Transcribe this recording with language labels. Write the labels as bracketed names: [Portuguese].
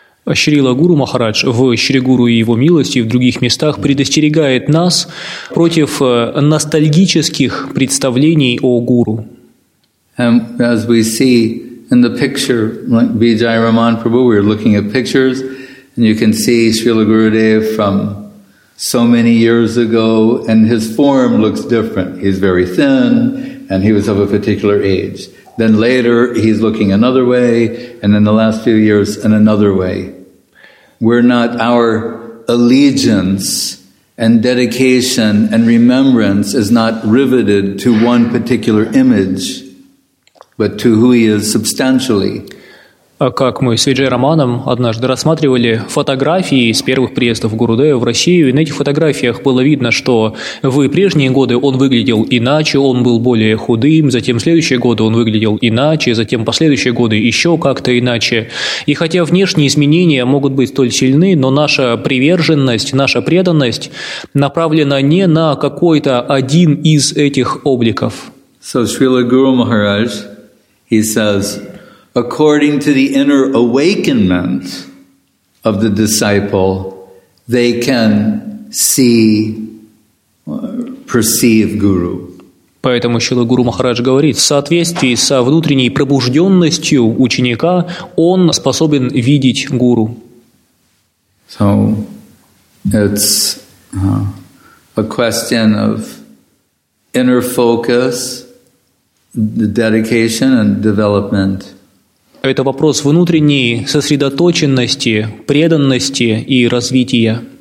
[Russian] Шрила Гуру Махарадж в Шри Гуру и Его милости в других местах предостерегает нас против ностальгических представлений о Гуру. [English] And as we see in the picture, like Vijay Raman Prabhu, we're looking at pictures, and you can see Srila Gurudev from so many years ago, and his form looks different. He's very thin, and he was of a particular age. Then later, he's looking another way, and in the last few years, in another way. We're not, our allegiance and dedication and remembrance is not riveted to one particular image, but to who he is substantially. [Russian] Как мы с Виджей Романом однажды рассматривали фотографии с первых приездов Гурудева в Россию, и на этих фотографиях было видно, что в прежние годы он выглядел иначе, он был более худым, затем следующие годы он выглядел иначе, затем последующие годы еще как-то иначе. И хотя внешние изменения могут быть столь сильны, но наша приверженность, наша преданность направлена не на какой-то один из этих обликов. [English] So Srila Guru Maharaj, he says, according to the inner awakenment of the disciple, they can see, perceive Guru. [Russian] Поэтому Шрила Гуру Махарадж говорит, в соответствии со внутренней пробужденностью ученика, он способен видеть Гуру. [English] So, it's a question of inner focus, the dedication and development. [Russian] Это вопрос внутренней сосредоточенности, преданности и развития.